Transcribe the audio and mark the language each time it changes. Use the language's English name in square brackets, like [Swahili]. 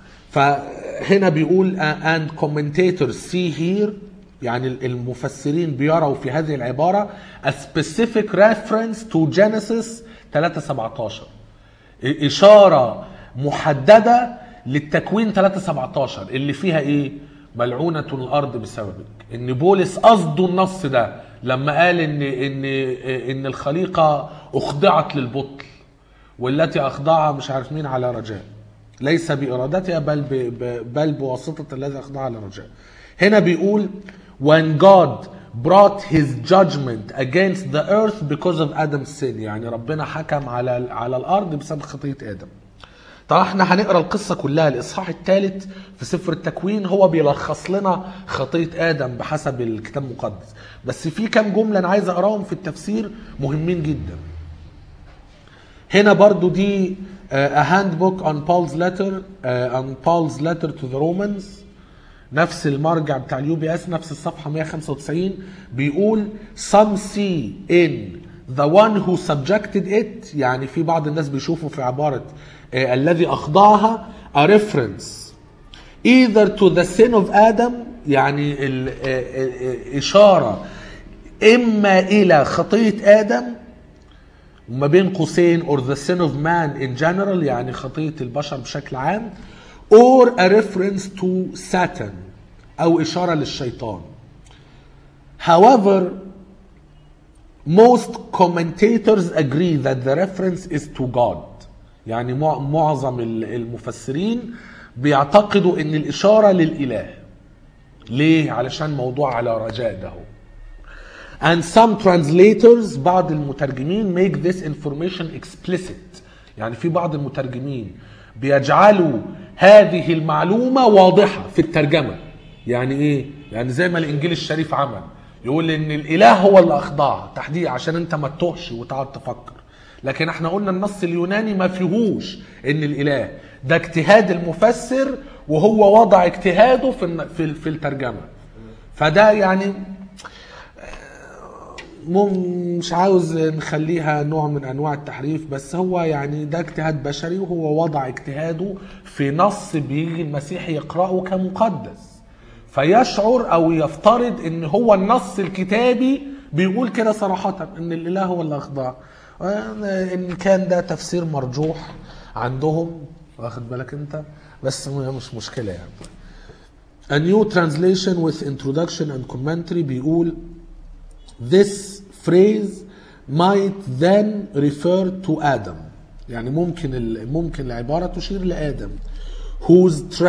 [Arabic] فهنا بيقول [English] and commentators see here، [Arabic] يعني المفسرين بيروا في هذه العبارة [English] A specific reference to Genesis 3:17، [Arabic] إشارة محددة للتكوين 3:17 اللي فيها إيه؟ ملعونة الأرض بسببك. إن بولس قصده النص ده لما قال ان ان ان الخليقه اخضعت للبطل والتي اخضعها مش عارف مين على رجاء، ليس بارادتها بل بواسطه الذي اخضعها لرجاء. هنا بيقول [English] when God brought his judgment against the earth because of Adam's sin، [Arabic] يعني ربنا حكم على الارض بسبب خطيه ادم. طبعا احنا هنقرا القصه كلها الاصحاح الثالث في سفر التكوين، هو بيلخص لنا خطيه ادم بحسب الكتاب المقدس، بس في كام جمله انا عايز اقراهم في التفسير مهمين جدا. هنا برضو دي [English] a handbook on Paul's letter on Paul's letter to the Romans، [Arabic] نفس المرجع بتاع اليو بي اس، نفس الصفحه 195، بيقول [English] some see in the one who subjected it، [Arabic] يعني في بعض الناس بيشوفوا في عباره الذي أخضعها [English] a reference either to the sin of Adam، يعني [Arabic] إشارة إما إلى خطية آدم وما بين قوسين [English] or the sin of man in general، [Arabic] يعني خطية البشر بشكل عام، [English] or a reference to Satan [Arabic] أو إشارة للشيطان. [English] However most commentators agree that the reference is to God، [Arabic] يعني معظم المفسرين بيعتقدوا ان الاشاره للاله. ليه؟ علشان موضوع على رجاء ده. [English] And some translators، [Arabic] بعض المترجمين [English] make this information explicit، [Arabic] يعني في بعض المترجمين بيجعلوا هذه المعلومه واضحه في الترجمه. يعني ايه؟ يعني زي ما الانجيل الشريف عمل، يقول ان الاله هو اللي اخضعها تحديدا عشان انت ما تتوهش وتقعد تفكر، لكن احنا قلنا النص اليوناني ما فيهوش ان الاله، ده اجتهاد المفسر وهو وضع اجتهاده في الترجمة. فده يعني مش عاوز نخليها نوع من انواع التحريف، بس هو يعني ده اجتهاد بشري وهو وضع اجتهاده في نص بيجي المسيح يقرأه كمقدس، فيشعر او يفترض ان هو النص الكتابي بيقول كده صراحة ان الاله هو اللي اخضع. إن كان ده تفسير مرجوح عندهم، واخد بالك أنت، بس مش مشكلة يعني. [English] A new translation with introduction and commentary [Arabic] بيقول [English] this phrase might then refer to Adam، [Arabic] يعني ممكن العبارة تشير لآدم، whose